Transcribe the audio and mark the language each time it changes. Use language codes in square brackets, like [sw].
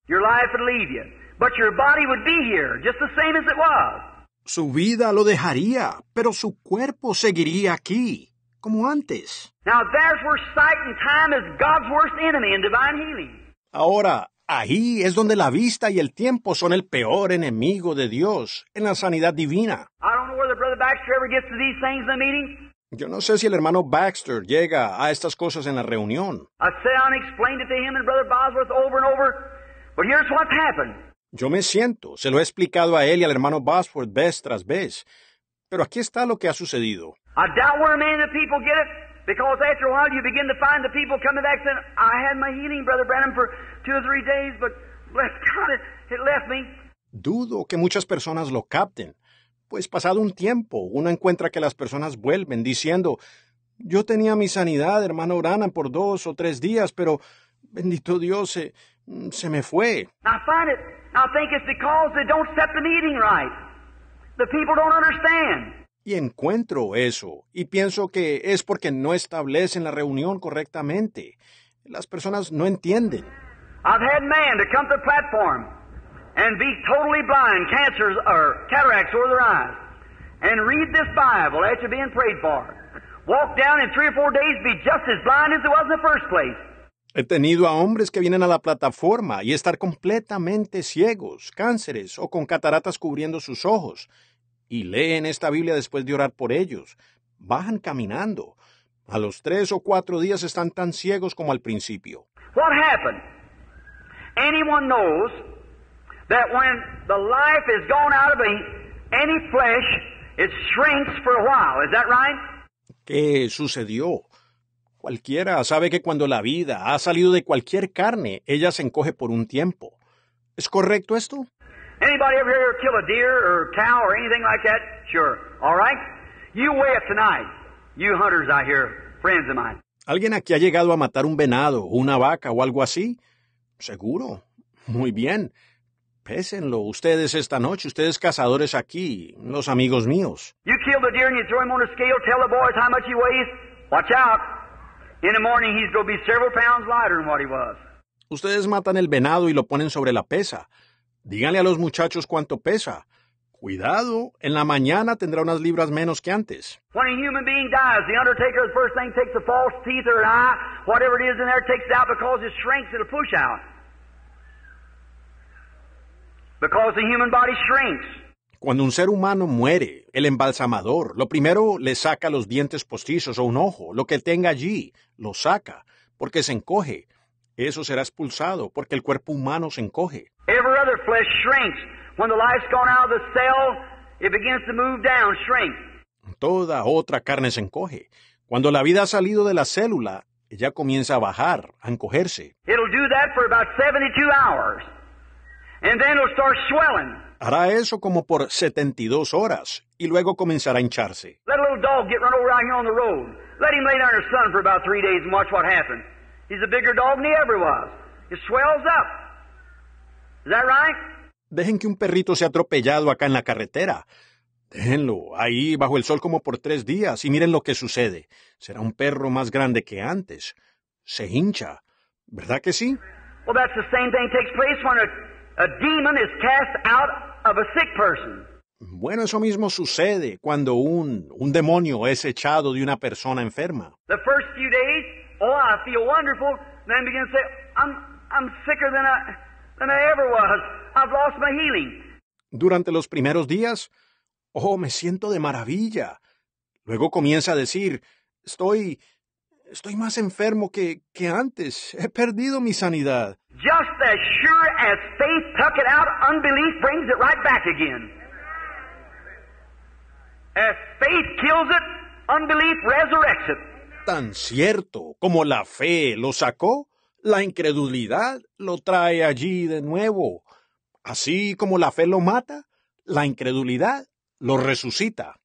[en] Your life would leave you, but your body would be here, just the same as it was. [es] Su vida lo dejaría, pero su cuerpo seguiría aquí, como antes. [en] Now there's where sight and time is God's worst enemy in divine healing. [es] Ahora, ahí es donde la vista y el tiempo son el peor enemigo de Dios en la sanidad divina. [en] I don't know whether Brother Baxter ever gets to these things in the meeting. [es] Yo no sé si el hermano Baxter llega a estas cosas en la reunión. [en] I sat down and explained it to him and Brother Bosworth over and over, but here's what's happened. [es] Yo me siento, se lo he explicado a él y al hermano Bosworth vez tras vez, pero aquí está lo que ha sucedido. [en] I doubt where many of the people get it, because after a while you begin to find the people coming back saying, I had my healing, Brother Branham, for 2 or 3 days, but bless God, it left me. [es] Dudo que muchas personas lo capten. Pues pasado un tiempo, uno encuentra que las personas vuelven diciendo, yo tenía mi sanidad, hermano Branham, por 2 o 3 días, pero bendito Dios, se me fue. [en] I find it, I think it's because they don't set the meeting right. The people don't understand. [es] Y encuentro eso, y pienso que es porque no establecen la reunión correctamente. Las personas no entienden. [en] I've had man to come to the platform and be totally blind, cancers or cataracts over their eyes, and read this Bible that you're being prayed for. Walk down in 3 or 4 days, be just as blind as it was in the first place. [es] He tenido a hombres que vienen a la plataforma y estar completamente ciegos, cánceres o con cataratas cubriendo sus ojos, y leen esta Biblia después de orar por ellos. Bajan caminando. A los 3 o 4 días están tan ciegos como al principio. [en] What happened? Anyone knows that when the life is gone out of any flesh, it shrinks for a while. Is that right? [es] ¿Qué sucedió? Cualquiera sabe que cuando la vida ha salido de cualquier carne, ella se encoge por un tiempo. ¿Es correcto esto? [en] Anybody ever here kill a deer or a cow or anything like that? Sure. All right. You weigh it tonight. You hunters out here, friends of mine. [es] ¿Alguien aquí ha llegado a matar un venado, una vaca o algo así? Seguro. Muy bien. Pésenlo ustedes esta noche, ustedes cazadores aquí, los amigos míos. [en] You kill the deer and you throw him on a scale, tell the boys how much he weighs. Watch out. In the morning he's going to be several pounds lighter than what he was. [es] Ustedes matan el venado y lo ponen sobre la pesa. Díganle a los muchachos cuánto pesa. Cuidado, en la mañana tendrá unas libras menos que antes. [en] When a human being dies, the undertaker, the first thing, takes a false teeth or an eye, whatever it is in there, takes it out because it shrinks, it'll push out. Because the human body shrinks. [es] Cuando un ser humano muere, el embalsamador, lo primero, le saca los dientes postizos o un ojo, lo que tenga allí, lo saca, porque se encoge. Eso será expulsado, porque el cuerpo humano se encoge. [en] Every other flesh shrinks. When the life's gone out of the cell, it begins to move down, shrink. [es] Toda otra carne se encoge. Cuando la vida ha salido de la célula, ella comienza a bajar, a encogerse. [en] It'll do that for about 72 hours. And then it'll start swelling. [es] Hará eso como por 72 horas, y luego comenzará a hincharse. [en] Let a little dog get run over out here on the road. Let him lay down in the sun for about 3 days and watch what happens. He's a bigger dog than he ever was. It swells up. Is that right? [es] Dejen que un perrito sea atropellado acá en la carretera. Déjenlo ahí bajo el sol como por 3 días y miren lo que sucede. Será un perro más grande que antes. Se hincha. ¿Verdad que sí? [en] Well, that's the same thing takes place when a demon is cast out of a sick person. [es] Bueno, eso mismo sucede cuando un demonio es echado de una persona enferma. [en] The first few days, oh, I feel wonderful. Then begin to say, I'm sicker than I ever was. I've lost my healing. [es] Durante los primeros días, oh, me siento de maravilla. Luego comienza a decir, estoy más enfermo que antes. He perdido mi sanidad. [en] Just as sure as faith tuck it out, unbelief brings it right back again. As faith kills it, unbelief resurrects it. [es] Tan cierto como la fe lo sacó, la incredulidad lo trae allí de nuevo. Así como la fe lo mata, la incredulidad lo resucita.